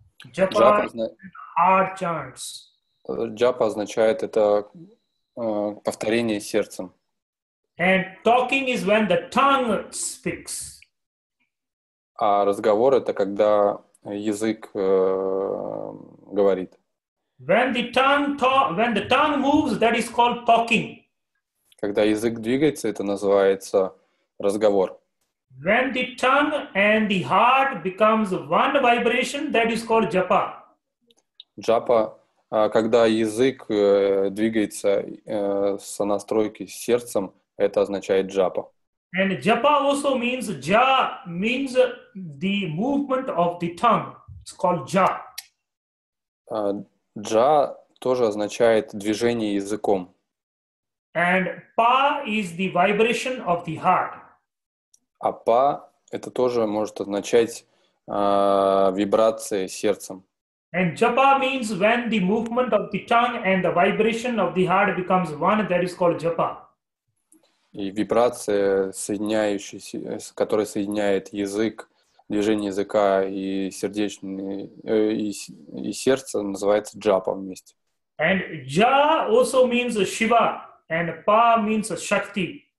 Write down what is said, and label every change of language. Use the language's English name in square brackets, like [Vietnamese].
[Russian] Джапа означает это повторение сердцем. [English] And talking is when the tongue speaks. [Russian] А разговор это когда язык говорит. [English] When the tongue moves, that is called talking. [Russian] Когда язык двигается, это называется разговор. [English] When the tongue and the heart becomes one vibration, that is called japa. [Russian] Джапа, когда язык двигается со настройки с сердцем, это означает джапа. [English] And japa also means ja means the movement of the tongue. It's called ja. [Russian] Ja тоже означает движение языком. [English] And pa is the vibration of the heart. [Russian] А pa это тоже может означать вибрации сердцем. [English] And japa means when the movement of the tongue and the vibration of the heart becomes one, that is called japa. [Russian] И вибрация, соединяющаяся, которая соединяет язык, движение языка и сердечный и сердце, называется джапа вместе. [English] And ja also means Shiva, and pa means Shakti.